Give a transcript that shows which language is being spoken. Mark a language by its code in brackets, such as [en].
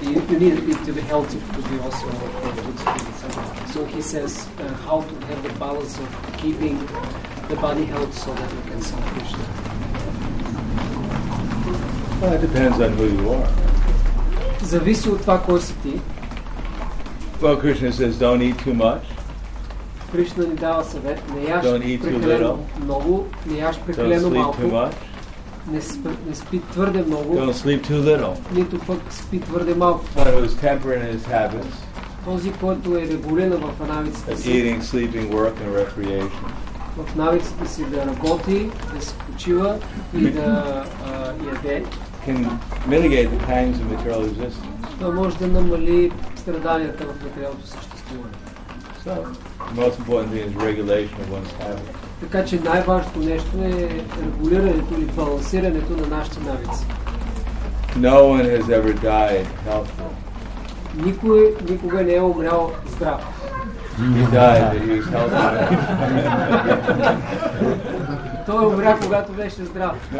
[en] You need it to be healthy to be also a good spirit. So he says how to have the balance of keeping the body healthy so that you can serve Krishna. Well, it depends on who you are. [bg] Зависи от това кой си ти. [en] Well, Krishna says, don't eat too much. [bg] Krishna ни дава съвет. Не яш прекалено много. Не яш прекалено малко. [en] Don't sleep too much. [bg] Не спи твърде много. [en] Don't sleep too little. [bg] Нито пък спи твърде малко. [en] But who's temperate in his habits. [bg] Този, който е регулиран в навиците си. [en] Eating, sleeping, work and recreation. [bg] В навиците си да работи, да се почива и да яде. [en] Can mitigate the pangs of material existence. [bg] Това може да намали страданията в материалното съществуване. [en] So, the most important thing is regulation of one's habits. [bg] Така че най-важното нещо е регулирането или балансирането на нашите навици. [en] No one has ever died healthy. [bg] Никой никога не е умрял здрав. [en] He died, but he was healthy. [bg] Той умря, когато беше здрав.